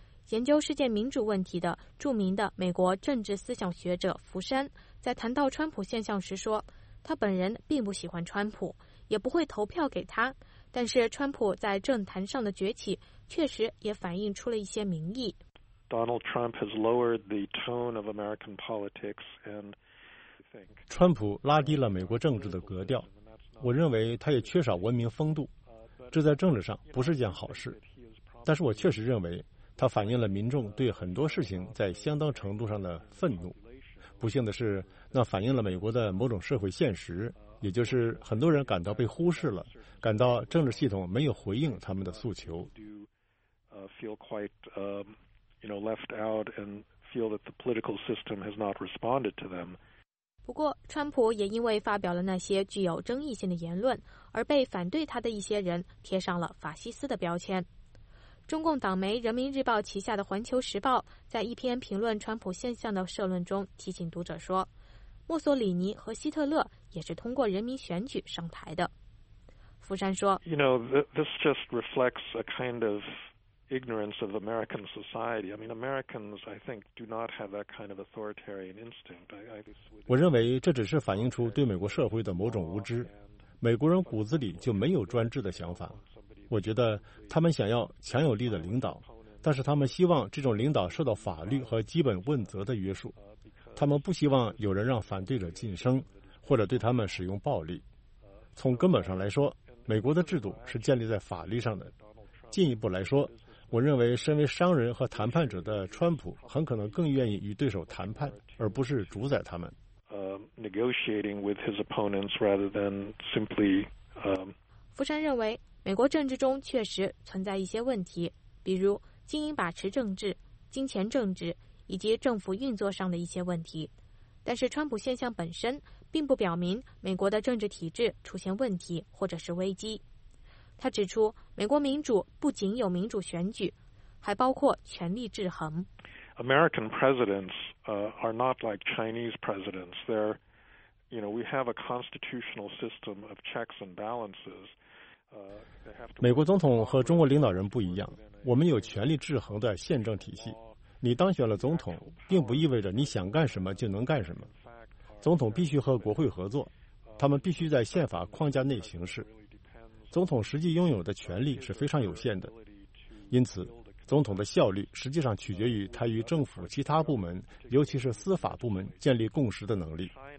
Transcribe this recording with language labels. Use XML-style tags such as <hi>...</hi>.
<zh>研究世界民主问题的著名的美国政治思想学者福山在谈到川普现象时说，他本人并不喜欢川普，也不会投票给他，但是川普在政坛上的崛起确实也反映出了一些民意。</zh> <en>Donald Trump has lowered the tone of American politics and</en> <zh>川普拉低了美国政治的格调，我认为他也缺少文明风度，这在政治上不是件好事。但是我确实认为他反映了民众对很多事情在相当程度上的愤怒。不幸的是，那反映了美国的某种社会现实，也就是很多人感到被忽视了，感到政治系统没有回应他们的诉求。不过，川普也因为发表了那些具有争议性的言论，而被反对他的一些人贴上了法西斯的标签。中共党媒《人民日报》旗下的《环球时报》在一篇评论川普现象的社论中提醒读者说，墨索里尼和希特勒也是通过人民选举上台的。福山说，</zh> <en>This just reflects a kind of ignorance of American society. I mean, Americans, I think, do not have that kind of authoritarian instinct.</en> <zh>我认为这只是反映出对美国社会的某种无知。美国人骨子里就没有专制的想法。我觉得他们想要强有力的领导，但是他们希望这种领导受到法律和基本问责的约束。他们不希望有人让反对者晋升，或者对他们使用暴力。从根本上来说，美国的制度是建立在法律上的。进一步来说，我认为身为商人和谈判者的川普很可能更愿意与对手谈判，而不是主宰他们。</zh> <en>Negotiating with his opponents rather than simply.</en> <zh>福山认为，美国政治中确实存在一些问题，比如精英把持政治、金钱政治以及政府运作上的一些问题。但是，川普现象本身并不表明美国的政治体制出现问题或者是危机。他指出，美国民主不仅有民主选举，还包括权力制衡。</zh> <en>American presidents are not like Chinese presidents. They're, you know, we have a constitutional system of checks and balances.</en> <zh>美国总统和中国领导人不一样，我们有权力制衡的宪政体系。你当选了总统，并不意味着你想干什么就能干什么。总统必须和国会合作，他们必须在宪法框架内行事。总统实际拥有的权力是非常有限的，因此，总统的效率实际上取决于他与政府其他部门，尤其是司法部门建立共识的能力。</zh>